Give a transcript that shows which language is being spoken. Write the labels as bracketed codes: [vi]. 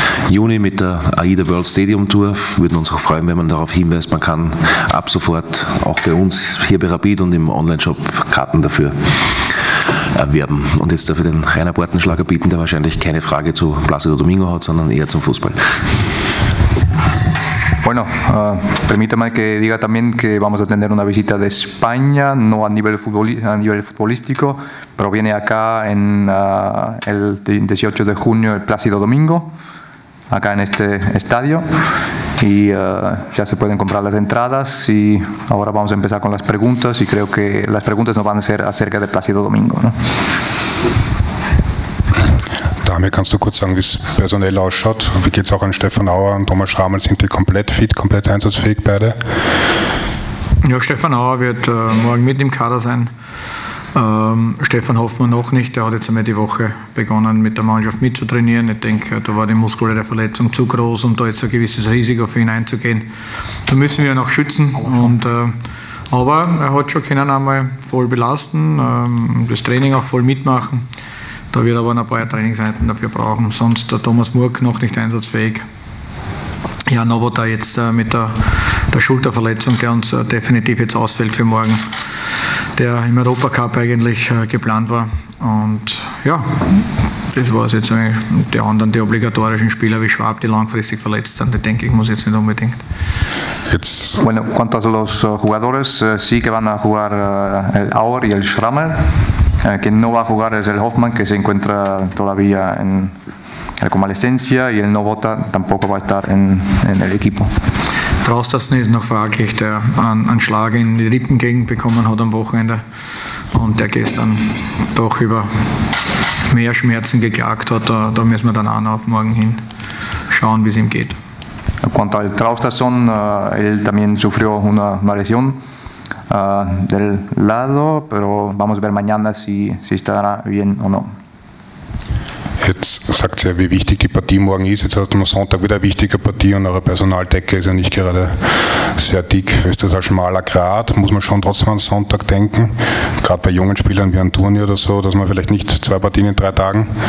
[de] Juni mit der AIDA World Stadium Tour. Wir würden uns auch freuen, wenn man darauf hinweist, man kann ab sofort auch bei uns hier bei Rapid und im Onlineshop Karten dafür erwerben. Und jetzt darf ich den Rainer Bortenschlager bieten, der wahrscheinlich keine Frage zu Plácido Domingo hat, sondern eher zum Fußball. [es] Bueno, permítame que diga también que vamos a tener una visita de España, no a nivel futbolístico, pero viene acá en el 18 de junio el Plácido Domingo, acá en este estadio, y ya se pueden comprar las entradas y ahora vamos a empezar con las preguntas y creo que las preguntas no van a ser acerca de Plácido Domingo, ¿no? [de] Damir, kannst du kurz sagen, wie es personell ausschaut? Wie geht es auch an Stefan Auer und Thomas Schramel? Sind die komplett fit, komplett einsatzfähig beide? Ja, Stefan Auer wird morgen mit im Kader sein. Stefan Hoffmann noch nicht. Der hat jetzt einmal die Woche begonnen, mit der Mannschaft mitzutrainieren. Ich denke, da war die muskuläre Verletzung zu groß, um da jetzt ein gewisses Risiko für ihn einzugehen. Da müssen wir ihn auch schützen. Und, aber er hat schon können einmal voll belasten, das Training auch voll mitmachen. Da wird aber ein paar Trainingseinheiten dafür brauchen. Sonst der Thomas Murk noch nicht einsatzfähig. Ja, Novota jetzt mit der Schulterverletzung, der uns definitiv jetzt ausfällt für morgen, der im Europacup eigentlich geplant war. Und ja, das war es jetzt eigentlich. Die anderen, die obligatorischen Spieler wie Schwab, die langfristig verletzt sind, die denke ich, muss jetzt nicht unbedingt. Jetzt. [es] Bueno, ¿cuántos los jugadores? Sí que van a jugar el Auer y el Schrammel. Quien no va a jugar es el Hoffmann, que se encuentra todavía en la convalescencia, y el Novota tampoco va a estar en el equipo. [de] Trostasen ist noch fraglich, der einen Schlag in die Rippengegend bekommen hat am Wochenende und der gestern doch über mehr Schmerzen geklagt hat. Da müssen wir dann auch noch auf morgen hin schauen, wie es ihm geht. [es] Quanto al Trostasen, él también sufrió una lesión del lado, pero vamos a ver mañana si estará bien o no. [de] Jetzt sagt sie ja, wie wichtig die Partie morgen ist. Jetzt hat man Sonntag wieder eine wichtige Partie und eure Personaldecke ist ja nicht gerade sehr dick. Ist das ein schmaler Grat? Muss man schon trotzdem an Sonntag denken? Gerade bei jungen Spielern wie ein Turnier oder so, dass man vielleicht nicht zwei Partien in drei Tagen.